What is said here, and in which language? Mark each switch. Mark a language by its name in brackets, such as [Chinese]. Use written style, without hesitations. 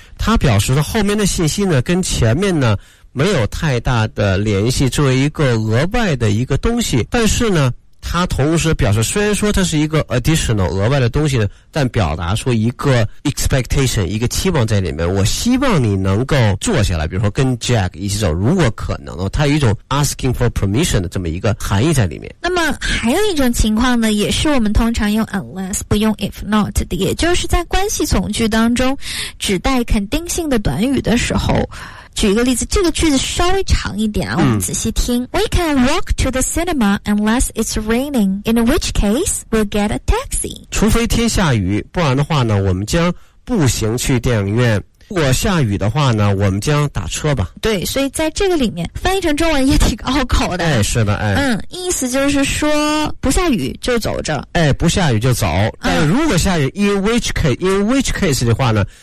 [Chinese] 他表示的后面的信息呢跟前面呢没有太大的联系，作为一个额外的一个东西，但是呢他同时表示虽然说它是一个 additional 额外的东西呢，但表达出一个 expectation 一个期望在里面，我希望你能够坐下来，比如说跟 Jack 一起走，如果可能它有一种 [English] asking for permission [Chinese] 的这么一个含义在里面。那么还有一种情况呢，也是我们通常用 unless 不用 if not 的，也就是在关系从句当中指代肯定性的短语的时候。举一个例子，这个句子稍微长一点啊，我们仔细听。 [English] We can walk to the cinema unless it's raining, in which case we'll get a taxi. [Chinese] 除非天下雨，不然的话呢，我们将步行去电影院。如果下雨的话呢，我们将打车吧。对，所以在这个里面翻译成中文也挺拗口的。哎，是的，哎，意思就是说不下雨就走着。哎，不下雨就走。但如果下雨、 [English] in which case [Chinese] 的话呢？